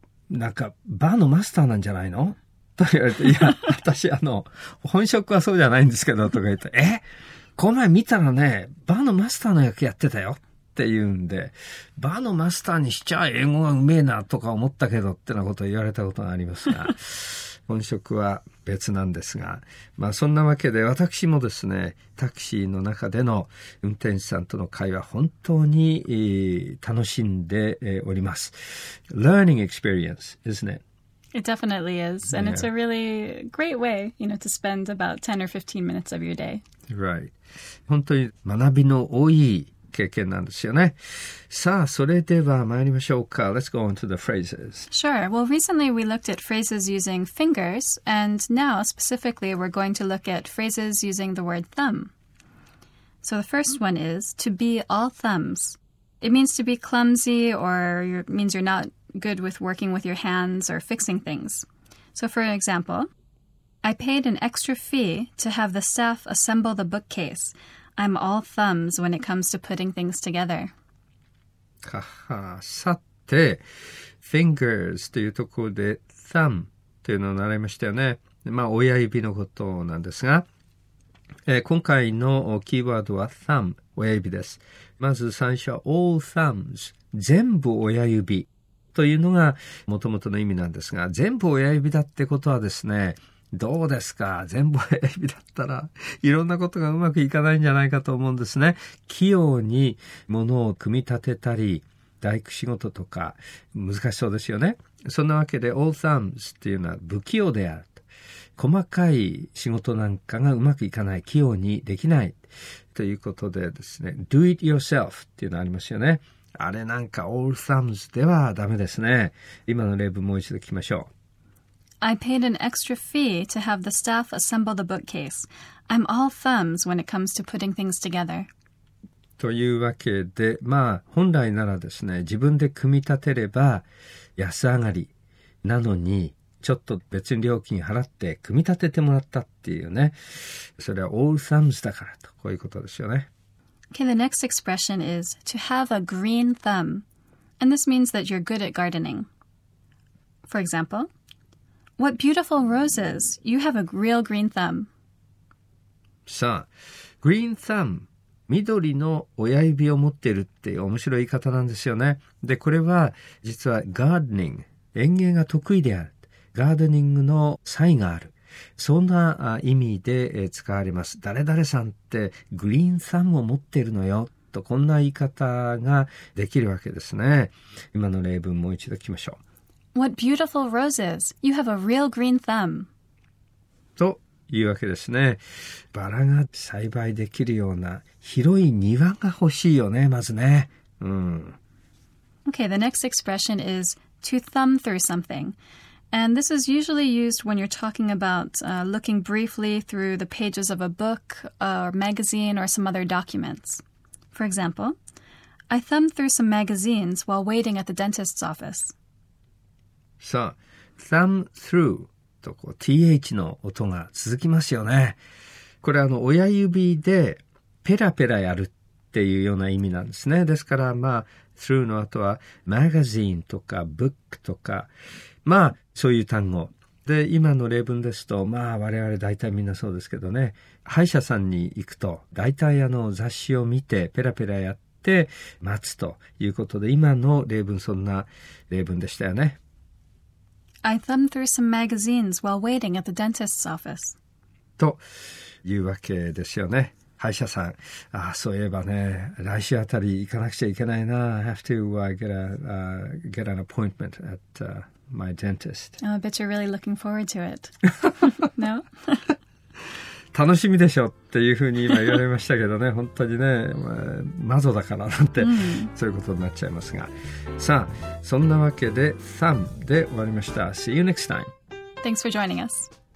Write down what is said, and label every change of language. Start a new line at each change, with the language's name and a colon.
Japanese: なんかバーのマスターなんじゃないのと言われて、いや私本職はそうじゃないんですけどとか言って、え、この前見たらね、バーのマスターの役やってたよって言うんで、バーのマスターにしちゃ英語がうめえなとか思ったけどってなことを言われたことがありますが、本職は別なんですが、まあそんなわけで私もですね、タクシーの中での運転手さんとの会話本当に楽しんでおります。
English: Learning experience, isn't it? It definitely is, and it's a really great way, you know, to spend about 10 or 15 minutes of your day. Right.
Japanese: 本当に学びの多い経験なんですよね。さあ、それでは参りましょうか。
English: Let's go on to the phrases. Sure. Well, recently we looked at phrases using fingers, and now specifically we're going to look at phrases using the word thumb. So the first one is to be all thumbs. It means to be clumsy, or means you're not good with working with your hands or fixing things. So for example, I paid an extra fee to have the staff assemble the bookcase. I'm all thumbs when it comes to putting things together.
Japanese: ははさて、fingers というところで thumb というのを習いましたよね。まあ親指のことなんですが、今回のキーワードは thumb、親指です。まず最初は all thumbs、全部親指というのがもともとの意味なんですが、全部親指だってことはですね、どうですか、全部親指だったらいろんなことがうまくいかないんじゃないかと思うんですね。器用に物を組み立てたり大工仕事とか難しそうですよね。そんなわけで all thumbs っていうのは不器用であると、細かい仕事なんかがうまくいかない、器用にできないということでですね、
English: do it yourself
Japanese: っていうのありますよね。あれなんか all thumbs ではダメですね。今の例文もう一度聞きましょう。
English: I paid an extra fee to have the staff assemble the bookcase. I'm all thumbs when it comes to putting things together.
Japanese: というわけで、まあ本来ならですね、自分で組み立てれば安上がりなのに、ちょっと別に料金払って組み立ててもらったっていうね、それはall thumbs だからと、こういうことですよね。
English: Okay, the next expression is to have a green thumb. And this means that you're good at gardening. For example, what beautiful roses! You have a real green thumb.
Japanese: さあ、green thumb、緑の親指を持っているっていう面白い言い方なんですよね。で、これは実は gardening、園芸が得意である。ガーデニングの才がある。そんな意味で使われます。誰々さんってグリーンサムを持ってるのよ。と、こんな言い方ができるわけですね。今の例文もう一度聞きましょう。
English: What beautiful roses! You have a real green thumb.
Japanese: というわけですね。バラが栽培できるような広い庭が欲しいよね、まずね。
English: Okay, the next expression is to thumb through something. And this is usually used when you're talking about looking briefly through the pages of a book or magazine or some other documents. For example, I thumbed through some magazines while waiting at the dentist's office.
Japanese: さあ、thumb through とこう th の音が続きますよね。これ親指でペラペラやるっていうような意味なんですね。ですからまあ、through の後は magazine とか book とか、まあ、そういう単語。で、今の例文ですと、まあ、我々大体みんなそうですけどね、歯医者さんに行くと、大体雑誌を見て、ペラペラやって、待つということで、今の例文、そんな例文でしたよね。
English: I thumbed through some magazines while waiting at the dentist's office.
Japanese: というわけですよね。歯医者さん、ああ、そういえばね、来週あたり行かなくちゃいけないな。
English: I have to get an appointment at... My dentist. Oh, I bet you're really looking forward to it. No?
Japanese: 楽しみでしょっていうふうに今言われましたけどね、本当にね、窓だからなんて、そういうことになっちゃいますが。さあ、そんなわけで、thumb で終わりました。
English: See you next time. Thanks for joining us.